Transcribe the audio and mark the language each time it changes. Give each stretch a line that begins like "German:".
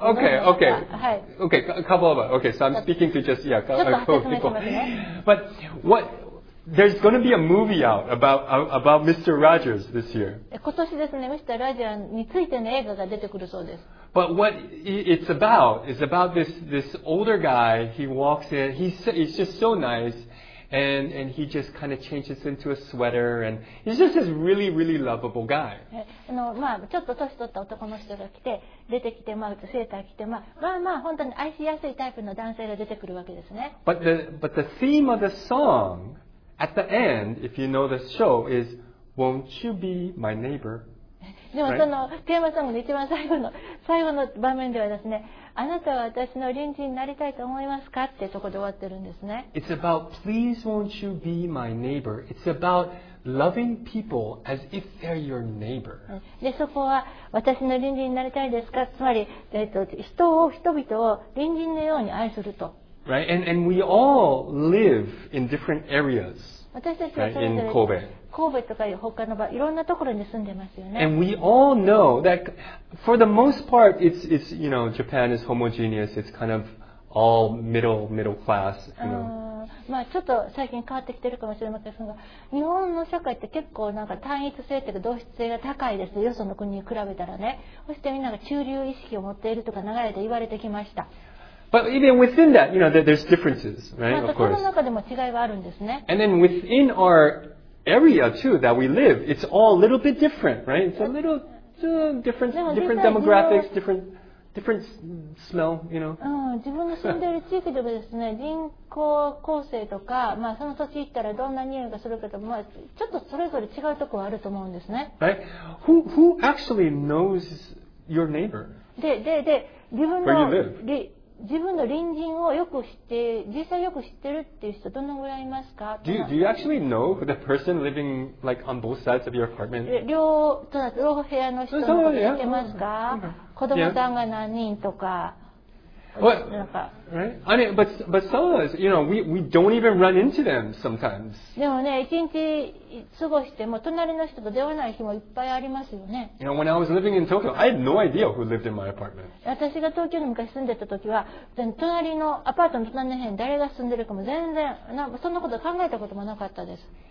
English: か。Okay, okay. Okay, couple of them. Okay, so I'm speaking to just, yeah, a couple of people. But what, there's going to be a movie out about Mr. Rogers this year.
Japanese: 今年ですね、Mr. Rogers についての映画が出てくるそうです。
English: But what it's about is about this older guy, he walks in, he's just so nice. And he just kind of changes into a sweater, and he's just this really, really lovable guy.
Japanese: ちょっと年取った男の人が来て、出てきて、まあ、セーター着て、まあ、本当に愛しやすいタイプの男性が出てくるわけですね。
English: But the theme of the song at the end, if you know the show, is Won't you be my neighbor?
Japanese: でもそのテーマソングの一番最後の場面ではですね、あなたは私の隣人になりたいと思いますかってところで終わってるんですね。
English: It's about please won't you be my neighbor. It's about loving people as if they're your neighbor.
Japanese: でそこは私の隣人になりたいですか、つまり、人々を隣人のように愛すると。
English: Right? And we all live in different areas.
Japanese: 私たちはそれぞれ。
English: In Kobe.
Japanese: 神戸とか他の場合、いろんなところに住んでますよね。
English: And we all know that for the most part, it's you know, Japan is homogeneous. It's kind of all middle class. You know.
Japanese: まあちょっと最近変わってきてるかもしれませんが、日本の社会って結構なんか単一性というか同質性が高いですよ。よその国に比べたらね。そしてみんなが中流意識を持っているとか長い間言われてきました。
English: But even within that, you know, there's differences, right? Of course.
Japanese: まあ、その中でも違いはあるんですね。
English: And then within our area too that we live, it's all a little bit different, right? It's a little different demographics, different different smell, you know.
Japanese: 自分の住んでいる地域でもですね、人口構成とか、まあ、その土地行ったらどんな匂いがするかとか、まあ、ちょっとそれぞれ違うところあると思うんですね。
English: Right? Who actually knows your neighbor?
Japanese: で自分の自分の隣人をよく知って、実際よく知ってるっていう人どのぐらいいますか？
English: Do you actually know the person living like on both sides of your apartment?
Japanese: 両部屋の人のことを知ってますか？
English: So, yeah.
Japanese: 子供さんが何人とか。
English: What? Right? I mean, but some of us, you know, we don't even run into them sometimes.
Japanese: でもね、一日過ごしても隣の人と出会わない日もいっぱいありますよね。
English: You know, when I was living in Tokyo, I had no idea who lived in my apartment.
Japanese: 私が東京に昔住んでた時は、隣のアパートの隣の部屋に誰が住んでるかも全然、そんなこと考えたこともなかったです。